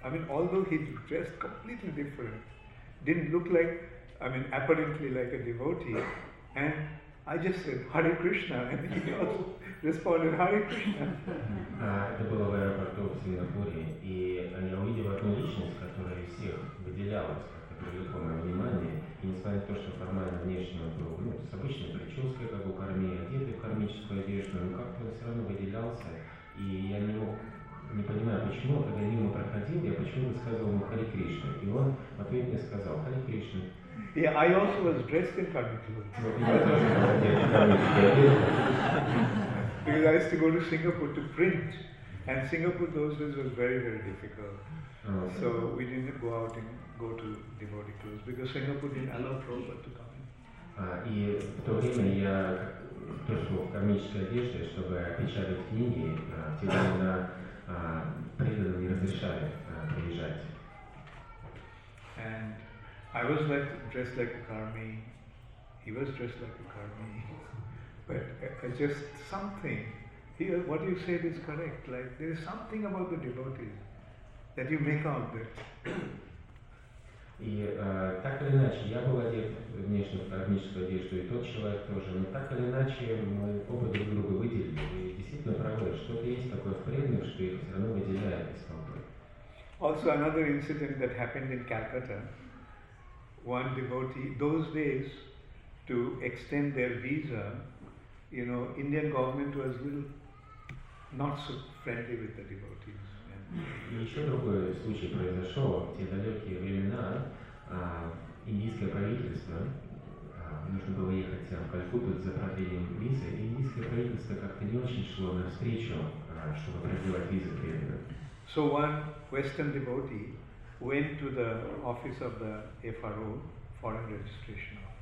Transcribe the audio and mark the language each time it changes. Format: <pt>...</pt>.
<en>Although he dressed completely different, didn't look like, apparently like a devotee. And I just said, Hare Krishna, and he also responded, Hare Krishna.</en> <ru>Это было в аэропорту в Сингапуре, и я увидел одну личность, которая из всех выделялась, которая привлекла мое внимание, и несмотря на то, что формально внешне он был, с обычной прической, как у кармии, одетый в кармическую одежду, но как-то он все равно выделялся, и я не мог, не понимаю, почему, когда я мимо проходил, я почему-то сказал ему Хари Кришна, и он в ответ мне сказал, Хари Кришна.</ru> <en>Yeah, I also was dressed in karmic clothes. Because I used to go to Singapore to print, and Singapore those days was very, very difficult. So we didn't go out and go to devotee clothes because Singapore didn't allow Prabhupada to come in.</en> <ru>И в то время я тоже в кармической одежде, чтобы печатать книги, те времена преданные не разрешали приезжать.</ru> <en>And I was like dressed like a karmi, he was dressed like a karmi, but just something, here what you said is correct, like there is something about the devotee that you make out that.</en> <ru>И так или иначе, я был одет внешне в кармическую одежду, и тот человек тоже, но так или иначе, мы оба друг друга выделили, и действительно правда, что-то есть такое в преданных, что их все равно выделяет из толпы.</ru> <en>Also another incident that happened in Calcutta. One devotee, those days, to extend their visa, you know, Indian government was little not so friendly with the devotees.</en> <ru>И еще другой случай произошел. В те далекие времена индийское правительство, нужно было ехать в Калькутту за продлением визы, индийское правительство как-то не очень шло навстречу, чтобы продлевать визы временно.</ru> <en>So one Western devotee went to the office of the FRO, Foreign Registration</en>